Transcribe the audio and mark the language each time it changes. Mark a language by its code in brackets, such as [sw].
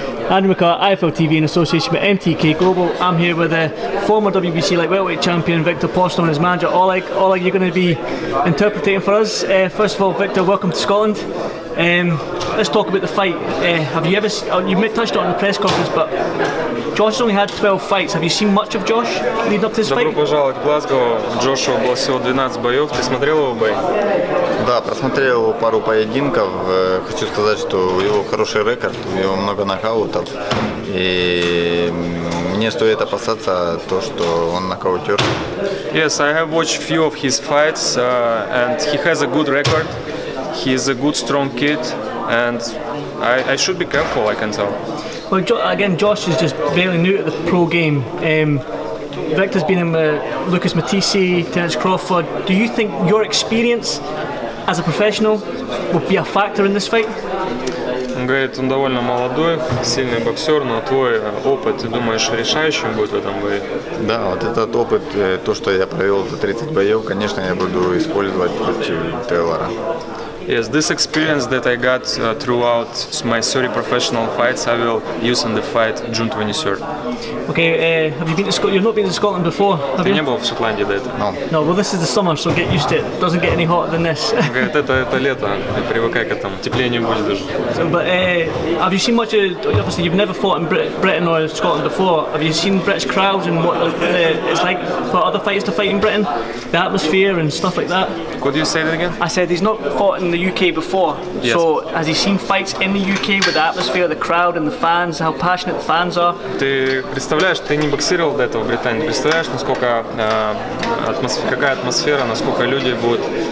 [en] Andrew McCart, IFL TV in association with MTK Global. I'm here with the former WBC like welterweight champion Viktor Postol and his manager Oleg, you're going to be interpreting for us. First of all, Viktor, welcome to Scotland. Let's talk about the fight. Have you ever touched on the press conference, but Josh has only had 12 fights. Have you seen much of Josh leading up to this [ru] Добро [en] fight? [ru] Добро пожаловать в Глазго. Джошуа было всего 12 боев. Ты смотрел его бой? Да, просмотрел его пару поединков. Хочу сказать, что у него хороший рекорд, у него много нокаутов. И мне стоит опасаться то, что он нокаутер. [en] Yes, I have watched few of his fights, and he has a good record. He is a good, strong kid, and I should be careful, I can tell. Well, again, Josh is just barely new to the pro game. Victor's been in Lucas Matisse, Terence Crawford. Do you think your experience as a professional will be a factor in this fight? [ru] Он говорит, он довольно молодой, сильный боксер, но твой опыт, ты думаешь, решающим будет в этом бою? Да, вот этот опыт, то, что я провел за 30 боев, конечно, я буду использовать против Тейлора. [en] Yes, this experience that I got throughout my 30 professional fights, I will use in the fight June 23rd. Okay, have you been to Scotland? You've not been to Scotland before, have you? [ru] Ты не был в Шотландии до этого? [en] No. No, well, this is the summer, so get used to it. It doesn't get any hotter than this. [ru] Он говорит, это лето, привыкай к этому, теплее не будет даже. [en] But have you seen much of, obviously you've never fought in Britain or Scotland before. Have you seen British crowds and what it's like for other fighters to fight in Britain? The atmosphere and stuff like that? Could you say that again? I said he's not fought in the UK before. Yes. So has he seen fights in the UK with the atmosphere, the crowd and the fans, how passionate the fans are? [ru] Ты представляешь, ты не боксировал до этого в Британии. Представляешь, насколько какая атмосфера, насколько люди будут